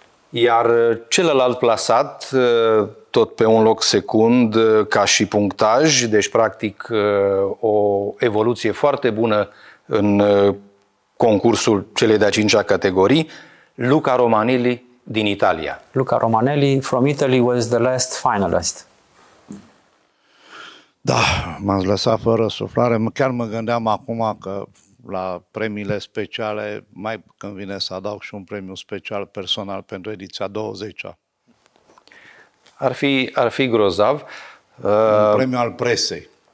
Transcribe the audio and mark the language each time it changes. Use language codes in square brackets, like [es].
[ro] Iar celălalt plasat, tot pe un loc secund, ca și punctaj, deci practic o evoluție foarte bună în concursul celei de-a cincea categorii, Luca Romanelli din Italia. [en] Luca Romanelli from Italy was the last finalist. [ro] Da, m-am lăsat fără suflare. Chiar mă gândeam acum că la premiile speciale, mai când vine să adaug și un premiu special personal pentru ediția 20-a. Ar fi grozav. Un premiu al presei.